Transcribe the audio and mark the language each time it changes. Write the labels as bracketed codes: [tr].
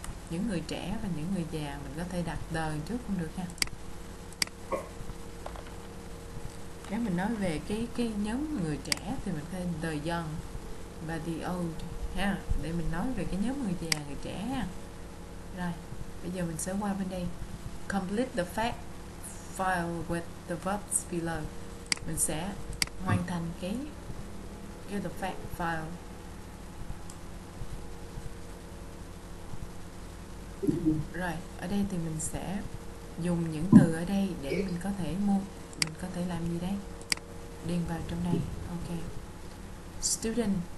[vi] Những người trẻ và những người già. Mình có thể đặt đời trước cũng được ha. Nếu mình nói về cái nhóm người trẻ thì mình có thể the young và the old ha. Để mình nói về cái nhóm người già, người trẻ ha. Rồi, bây giờ mình sẽ qua bên đây. [en] Complete the fact file with the verbs below. [vi] Mình sẽ hoàn thành cái the fact file. Rồi, ở đây thì mình sẽ dùng những từ ở đây để mình có thể mình có thể làm gì đây? Điền vào trong đây. Ok. Student.